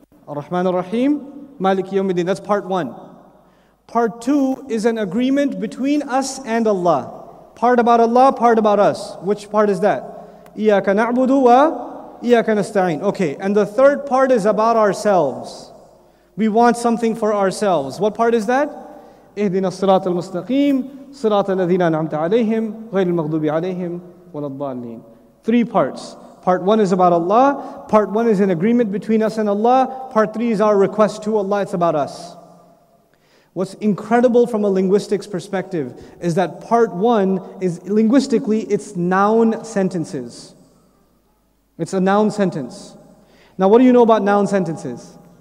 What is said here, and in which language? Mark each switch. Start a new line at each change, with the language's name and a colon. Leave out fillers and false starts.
Arabic: Ar-Rahman Ar-Rahim, Maliki Yawmiddin.
English: That's part one. Part two is an agreement between us and Allah. Part about Allah, part about us. Which part is that?
Arabic: Iyaka na'budu wa iyaka nasta'in.
English: Okay, and the third part is about ourselves. We want something for ourselves. What part is that?
Arabic: اهدنا الصراط المستقيم صراط الذين أنعمت عليهم غير المغضوب عليهم ولا الضالين.
English: Three parts. Part one is about Allah. Part one is an agreement between us and Allah. Part three is our request to Allah. It's about us. What's incredible from a linguistics perspective is that part one is linguistically, it's noun sentences. It's a noun sentence. Now, what do you know about noun sentences?